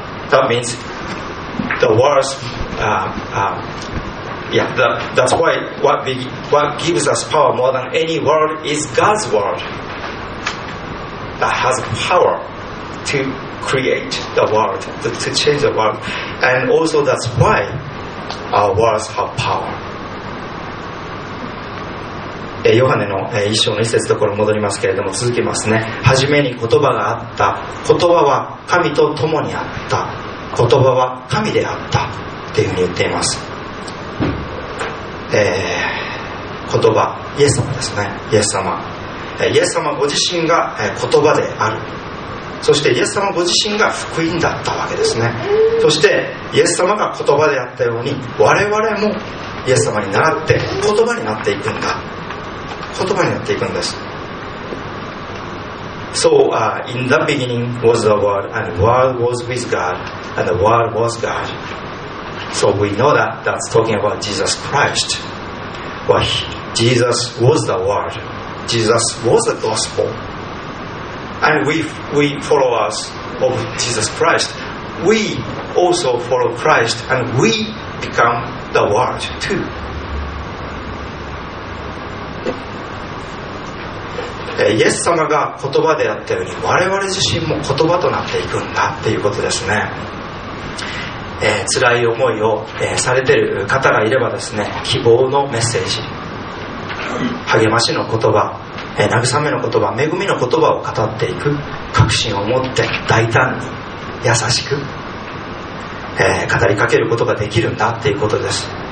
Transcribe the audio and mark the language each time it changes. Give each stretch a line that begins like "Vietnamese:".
English: That means the words, that's why what gives us power more than any word is God's word that has power to create the world, to change the world. And also that's why our words have power.
Japanese: ヨハネの一章の一節ところ戻りますけれども、続けますね。はじめに言葉があった、言葉は神と共にあった、言葉は神であったっていうふうに言っています、言葉、イエス様ですね。イエス様、イエス様ご自身が言葉である。そしてイエス様ご自身が福音だったわけですね。そしてイエス様が言葉であったように、我々もイエス様に習って言葉になっていくんだ、言葉になっていくんです。
English: So, in the beginning was the Word, and the Word was with God, and the Word was God. So we know that that's talking about Jesus Christ. Well, Jesus was the Word. Jesus was the Gospel. And we followers of Jesus Christ, we also follow Christ, and we become the Word too.
Japanese: イエス様が言葉であったように、我々自身も言葉となっていくんだっていうことですね。辛い思いを、されている方がいればですね、希望のメッセージ、励ましの言葉、慰めの言葉、恵みの言葉を語っていく、確信を持って大胆に優しく、語りかけることができるんだっていうことです。